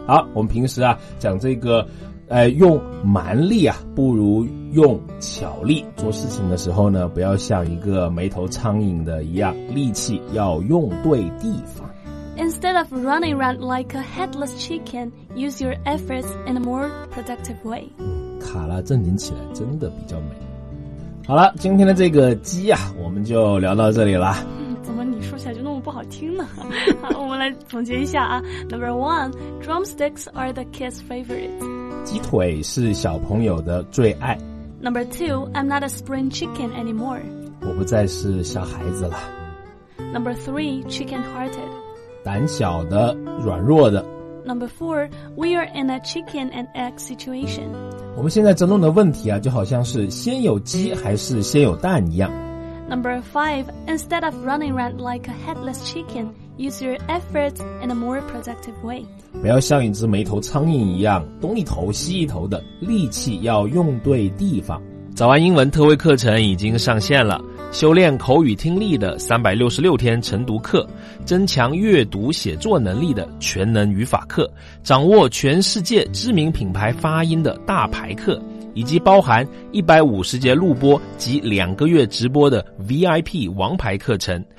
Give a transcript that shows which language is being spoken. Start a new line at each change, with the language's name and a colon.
Chinese: 好，我们平时啊讲这个用蛮力啊不如用巧力，做事情的时候呢不要像一个眉头苍蝇的一样，力气要用对地方。
English: Instead of running around like a headless chicken, use your efforts in a more productive way。
Chinese: 卡拉正经起来真的比较美。好了，今天的这个鸡啊我们就聊到这里了。怎么你说起来就那么不好听呢？我们来总结一下啊。
English: Number one, drumsticks are the kid's favorite.
Chinese: 鸡腿是小朋友的最爱。
English: Number two, I'm not a spring chicken anymore.
Chinese: 我不再是小孩子了。
English: Number three, chicken hearted.
Chinese: 胆小的，软弱的。
English: Number four, we are in a chicken and egg situation.
Chinese: 我们现在争论的问题啊，就好像是先有鸡还是先有蛋一样。
English: Number five, instead of running around like a headless chicken, use your efforts in a more productive way.
Chinese: 不要像一只没头苍蝇一样，东一头西一头的，力气要用对地方。早安英文特惠课程已经上线了，修炼口语听力的366天晨读课，增强阅读写作能力的全能语法课，掌握全世界知名品牌发音的大牌课，以及包含150节录播及2个月直播的 VIP 王牌课程。